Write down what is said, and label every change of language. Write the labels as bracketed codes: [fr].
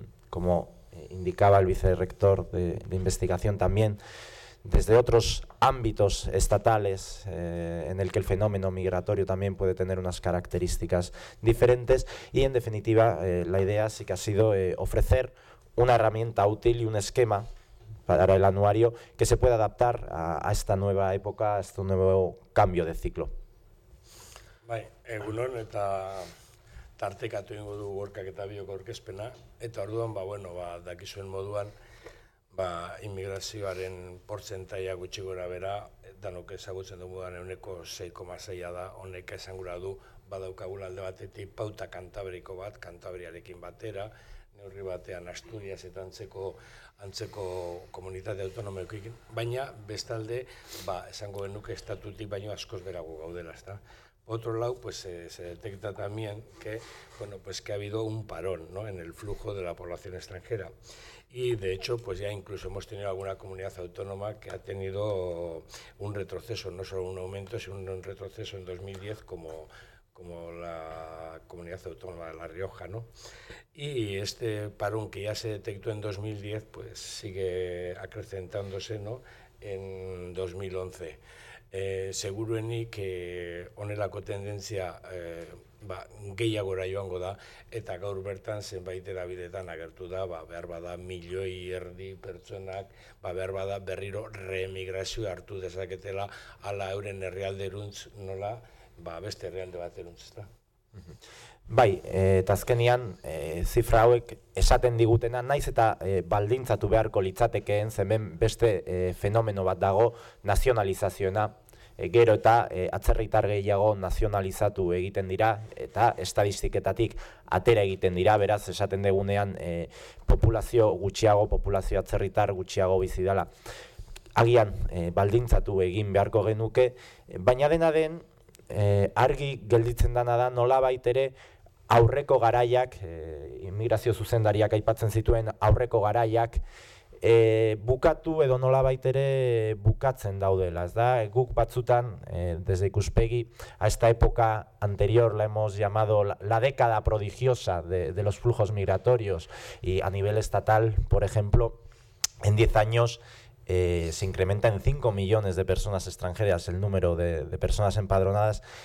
[es] como indicaba el vicerrector de investigación también, desde otros ámbitos estatales en el que el fenómeno migratorio también puede tener unas características diferentes, y en definitiva la idea sí que ha sido ofrecer una herramienta útil y un esquema para el anuario que se pueda adaptar a esta nueva época, a este nuevo cambio de ciclo. [eu] Bai, egunon eta tartekatu ingo du Gorkak eta biok aurkezpena, eta orduan dakizuen moduan inmigrazioaren portzentaia gutxi gora bera, danok ezagutzen dugu dan 6,6 da, honek esangura du, badaukagula alde batetik pauta kantabriko bat, kantabriarekin batera, neurri batean Asturias eta antzeko komunitate autonomikoekin, baina bestalde, esango genuke estatutik baino askoz berago gaudela, ezta. [es] Otro lado, pues se detecta también que ha habido un parón, ¿no?, en el flujo de la población extranjera. Y de hecho, pues ya incluso hemos tenido alguna comunidad autónoma que ha tenido un retroceso, no solo un aumento, sino un retroceso en 2010, como la comunidad autónoma de La Rioja, ¿no? Y este parón que ya se detectó en 2010, pues sigue acrecentándose, ¿no?, en 2011. [eu] Seguruenik honelako tendentzia gehiagora joango da, eta gaur bertan zenbait erabidetan agertu da, behar bada milioi erdi pertsonak, behar bada berriro reemigrazioa hartu dezaketela, ala euren herrialde eruntz nola, beste herrialde bat eruntz, ezta. Bai, eta azkenian, zifra hauek esaten digutena, naiz eta baldintzatu beharko litzatekeen, zemen beste fenomeno bat dago, nazionalizazioena. Gero eta atzerritar gehiago nazionalizatu egiten dira eta estadistiketatik atera egiten dira, beraz esaten degunean populazio atzerritar gutxiago bizi dela. Agian baldintzatu egin beharko genuke, baina dena den argi gelditzen dena da nolabait ere aurreko garaiak, inmigrazio zuzendariak aipatzen zituen aurreko garaiak, bukatu edo nolabait ere bukatzen daudela, ez da? Guk batzutan, [es] desde Ikuspegi, a esta época anterior la hemos llamado la década prodigiosa de los flujos migratorios, y a nivel estatal, por ejemplo, en 10 años se incrementa en 5 millones de personas extranjeras el número de personas empadronadas.